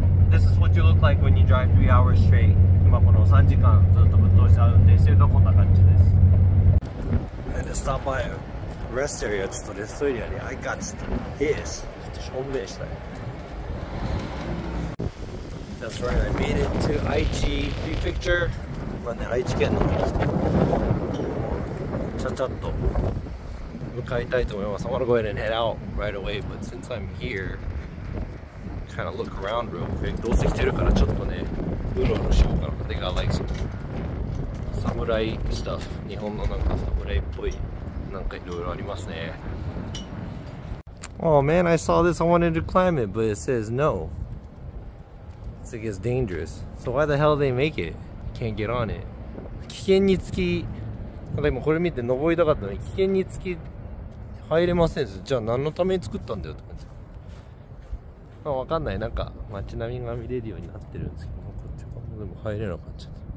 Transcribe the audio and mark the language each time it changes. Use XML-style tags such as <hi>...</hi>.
<en>This is what you look like when you drive 3 hours straight.</en> <ja>今この3時間ずっとぶっ通し運転してるとこんな感じです。</ja> <en>I had to stop by a rest area.</en> <ja>ちょっとレストエリアに</ja> <en>I got this.</en> <ja>ちょっと証明したい。</ja> <en>That's right, I made it to Aichi Prefecture.</en> <ja>今ね、愛知県の方です。</ja> <en>I'm gonna go ahead and head out right away, but since I'm here, kind of look around real quick.</en> <ja>どうせ来てるからちょっとね、うろうろしようかな。</ja> <en>They got like some samurai stuff.</en> <ja>日本のなんか侍っぽい、なんかいろいろありますね。</ja> <en>Oh man, I saw this. I wanted to climb it, but it says no. It's like it's dangerous. So why the hell they make it? Can't get on it.</en> <ja>危険につき、ただ今これ見て登りたかったのに危険につき入れませんです。じゃあ何のために作ったんだよって感じ。まあ、分かんない。なんか街並みが見れるようになってるんですけど、こっちでも入れなかった。</ja>